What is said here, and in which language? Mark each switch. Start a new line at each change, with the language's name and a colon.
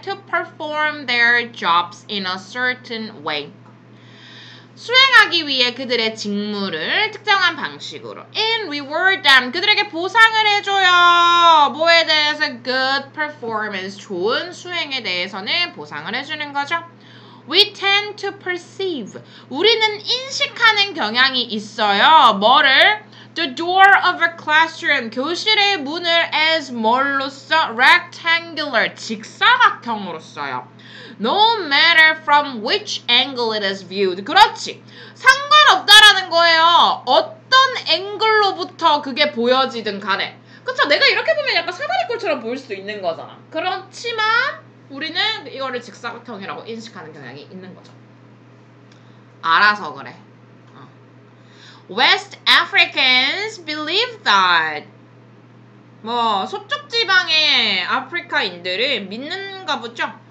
English: To perform their jobs in a certain way.
Korean: 수행하기 위해 그들의 직무를 특정한 방식으로.
English: In reward them.
Korean: 그들에게 보상을 해줘요. 뭐에 대해서?
English: Good performance.
Korean: 좋은 수행에 대해서는 보상을 해주는 거죠.
English: We tend to perceive.
Korean: 우리는 인식하는 경향이 있어요. 뭐를?
English: The door of a classroom.
Korean: 교실의 문을 as 뭘로 써? Rectangular. 직사각형으로 써요.
English: No matter from which angle it is viewed.
Korean: 그렇지. 상관없다라는 거예요. 어떤 앵글로부터 그게 보여지든 간에. 그쵸? 내가 이렇게 보면 약간 사다리꼴처럼 보일 수도 있는 거잖아. 그렇지만 우리는 이거를 직사각형이라고 인식하는 경향이 있는 거죠. 알아서 그래.
English: West Africans believe that
Korean: 뭐 서쪽 지방의 아프리카인들은 믿는가 보죠.